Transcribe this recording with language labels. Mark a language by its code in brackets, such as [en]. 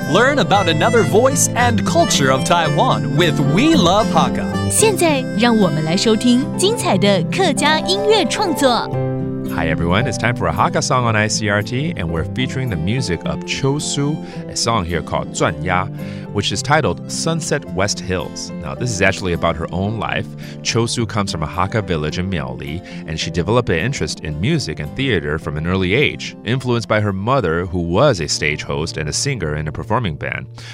[en] Learn about another voice and culture of Taiwan with We Love Hakka。 [zh] 现在让我们来收听精彩的客家音乐创作。 [en] Hi everyone, it's time for a Hakka song on ICRT, and we're featuring the music of Chosu, a song here called 转鸭, which is titled Sunset West Hills. Now, this is actually about her own life. Chosu comes from a Hakka village in Miaoli, and she developed an interest in music and theater from an early age, influenced by her mother, who was a stage host and a singer in a performing band.